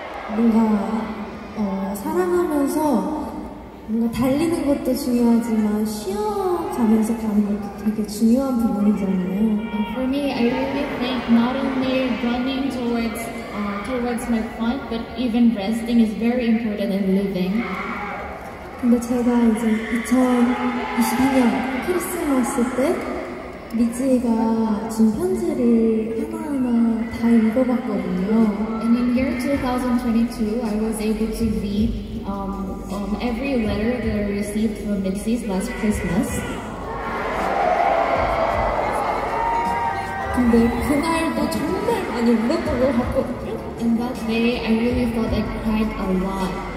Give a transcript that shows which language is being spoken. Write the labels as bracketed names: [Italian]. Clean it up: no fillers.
[Korean] 뭔가, 사랑하면서 뭔가 달리는 것도 중요하지만 쉬어가면서 가는 것도 되게 중요한 부분이잖아요. [English] And for me, I really think not only running towards my point, but even resting is very important in living. [Korean] 근데 제가 이제 2022년 크리스마스 때 미지가 준 편지를 하나하나 다 읽어봤거든요. [English] And in year 2022, I was able to read on every letter that I received from Mitzi's last Christmas. [Korean] 근데 그날도 정말 많이 울었던 것 같고. [English] And that day, I really felt I cried a lot.